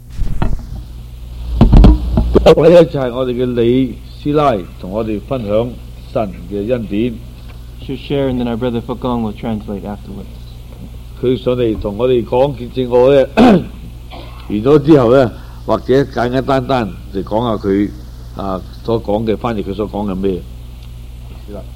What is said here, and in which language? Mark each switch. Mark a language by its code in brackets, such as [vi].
[zh] 一位就是我们的李师奶跟我们分享神的恩典。 [en] She'll share and then our brother Fukong will translate afterwards. [zh] 他上来跟我们讲见证我的完了之后呢，或者简简单单就讲一下他所讲的翻译，他所讲的什么。